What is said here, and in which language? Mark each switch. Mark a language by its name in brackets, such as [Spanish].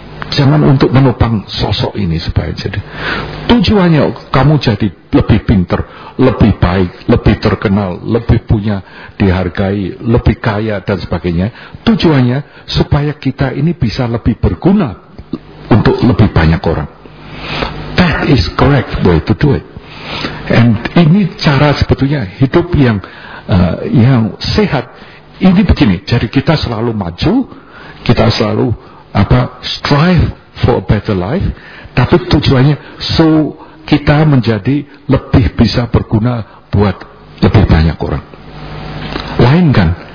[Indonesian] Jangan untuk menopang sosok ini supaya jadi. Tujuannya kamu jadi lebih pintar, lebih baik, lebih terkenal, lebih punya, dihargai, lebih kaya dan sebagainya. Tujuannya supaya kita ini bisa lebih berguna untuk lebih banyak orang. [English] That is correct way to do it. And [Indonesian] ini cara sebetulnya hidup yang sehat. Ini begini, jadi kita selalu maju, kita selalu apa, [English] strive for a better life, [Indonesian] tapi tujuannya so kita menjadi lebih bisa berguna buat lebih banyak orang. Lain kan?